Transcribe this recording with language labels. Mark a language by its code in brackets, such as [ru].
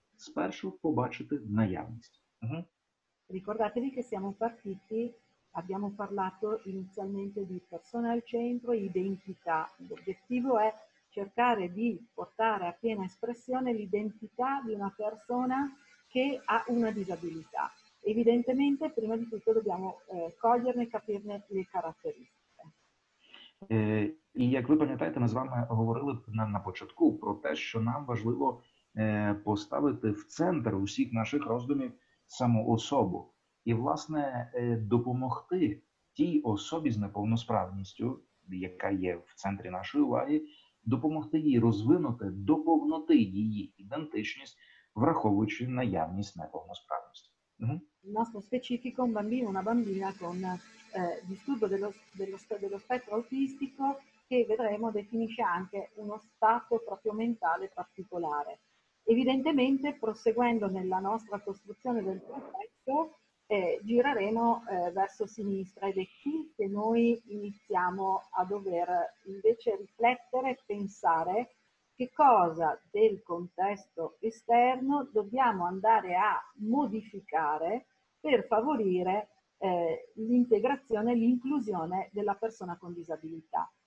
[uk] Спершу побачити наявність. Угу. [it] Ricordatevi che siamo partiti, abbiamo parlato inizialmente di persona al centro, identità. L'obiettivo è cercare di portare a piena espressione l'identità di una persona che ha una disabilità. Evidentemente, prima di tutto, dobbiamo coglierne e capirne le caratteristiche. [uk] І як ви пам'ятаєте, ми з вами говорили на початку про те, що нам важливо поставити в центр усіх наших роздумів саму особу. І, власне, допомогти тій особі з неповносправністю, яка є в центрі нашої уваги, допомогти їй розвинути, доповнити її ідентичність, враховуючи наявність неповносправності. Угу. [it] Nostro specifico, un bambino, una bambina con disturbo dello spettro autistico, che vedremo definisce anche uno stato proprio mentale particolare. Evidentemente, proseguendo nella nostra costruzione del progetto, gireremo verso sinistra ed è qui che noi iniziamo a dover invece riflettere e pensare che cosa del contesto esterno dobbiamo andare a modificare per favorire l'integrazione e l'inclusione della persona con disabilità.